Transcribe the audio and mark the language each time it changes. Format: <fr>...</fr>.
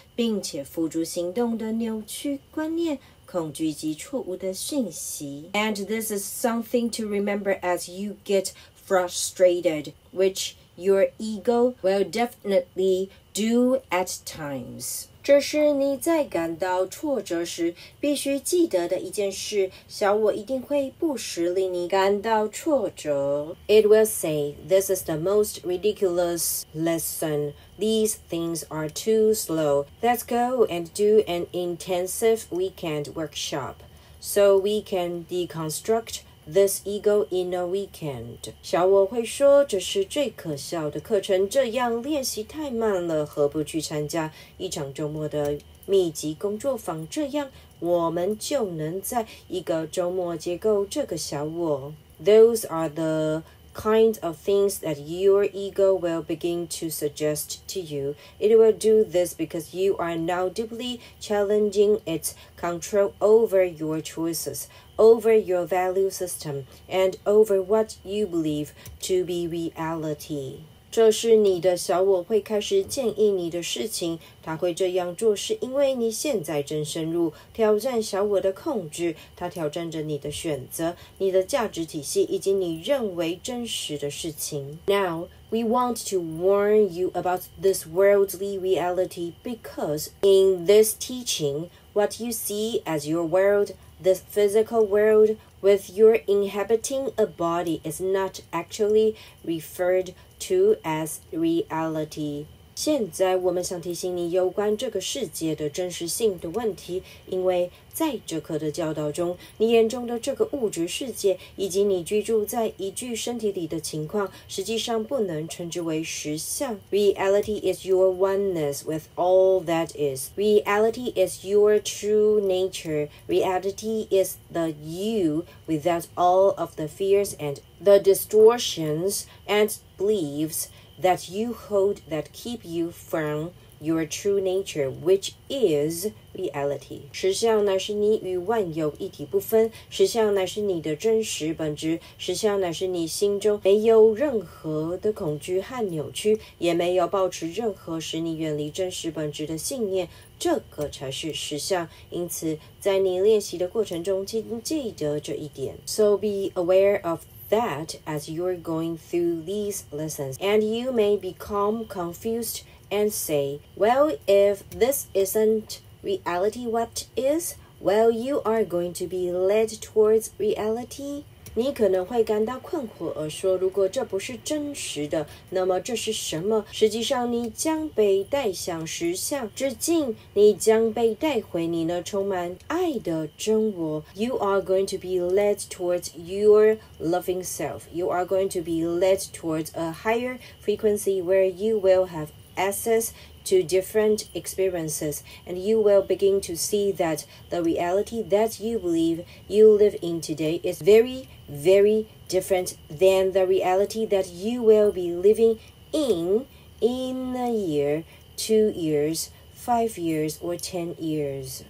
<zh>并且付诸行动的扭曲观念恐惧及错误的讯息</zh> <en>And this is something to remember as you get frustrated which your ego will definitely do at times</en> <zh>这是你在感到挫折</zh> <en>时必须记得的一件事小我一定会不时令你感到挫折 It will say, this is the most ridiculous lesson. These things are too slow. Let's go and do an intensive weekend workshop so we can deconstruct this ego in a weekend.</en> <zh>小我会说这是最可笑的课程这样练习太慢了何不去参加一场周末的密集工作坊这样我们就能在一个周末结构这个小我。</zh> <en>Those are the kind of things that your ego will begin to suggest to you. It will do this because you are now deeply challenging its control over your choices. Over your value system and over what you believe to be reality.</en> <zh>这是你的小我会开始建议你的事情，他会这样做是因为你现在正深入挑战小我的控制，他挑战着你的选择，你的价值体系以及你认为真实的事情。</zh> <en>Now, we want to warn you about this worldly reality because in this teaching, what you see as your worldThe physical world with your inhabiting a body is not actually referred to as reality.</en> <zh>现在我们想提醒你有关这个世界的真实性的问题，因为在这课的教导中，你眼中的这个物质世界以及你居住在一具身体里的情况，实际上不能称之为实相。</zh> <en>Reality is your oneness with all that is. Reality is your true nature. Reality is the you without all of the fears and the distortions and beliefs. That you hold that keep you from your true nature, which is reality.</en> <zh>实相乃是你与万有一体不分，实相乃是你的真实本质，实相乃是你心中没有任何的恐惧和扭曲，也没有抱持任何使你远离真实本质的信念。这个才是实相，因此在你练习的过程中，请记得这一点。</zh> <en>So be aware of. That as you're going through these lessons, and you may become confused and say, Well, if this isn't reality, what is? Well, you are going to be led towards reality.</en> <zh>你可能会感到困惑而说，如果这不是真实的，那么这是什么？实际上，你将被带向实相之境，你将被带回你那充满爱的真我。</zh> <en>You are going to be led towards your loving self. You are going to be led towards a higher frequency where you will have access to different experiences, and you will begin to see that the reality that you believe you live in today is very, very different than the reality that you will be living in a year, 2 years, 5 years, or 10 years.</en>